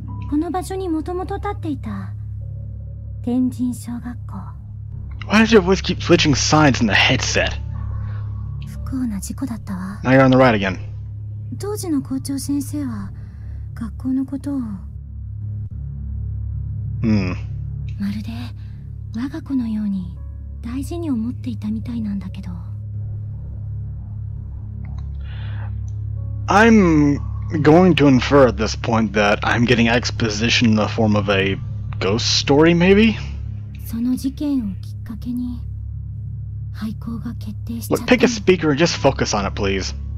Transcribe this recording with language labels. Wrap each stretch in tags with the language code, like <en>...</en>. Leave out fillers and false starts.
<ja>この場所にもともと立っていた天神小学校。</ja> <en>Why does your voice keep switching sides in the headset?</en> <ja>不幸な事故だったわ。</ja> <en>Now you're on the right again.</en> <ja>当時の校長先生は学校のことを。まるで我が子のように大事に思っていたみたいなんだけど。</ja> <en>Going to infer at this point that I'm getting exposition in the form of a ghost story, maybe? Look, pick a speaker and just focus on it, please.</en>